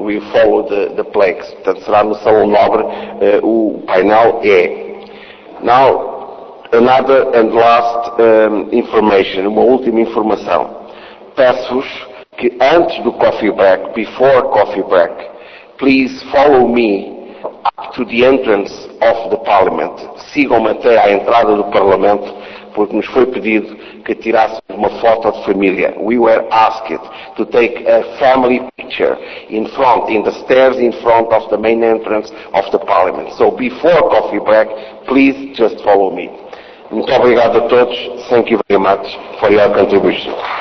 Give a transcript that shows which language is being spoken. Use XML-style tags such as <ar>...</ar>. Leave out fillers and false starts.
<en>We follow the plaques.</en> <pt>Portanto, será no Salão Nobre o painel E.</pt> <en>Now, another and last information,</en> <pt>uma última informação. Peço-vos que antes do coffee break,</pt> <en>before coffee break, please follow me up to the entrance of the Parliament.</en> <pt>Sigam-me até à entrada do Parlamento, porque nos foi pedido que tirássemos uma foto de família.</pt> <en>We were asked to take a family picture in front, in the stairs in front of the main entrance of the Parliament. So before coffee break, please just follow me.</en> <pt>Muito obrigado a todos.</pt> <en>Thank you very much for your contribution.</en>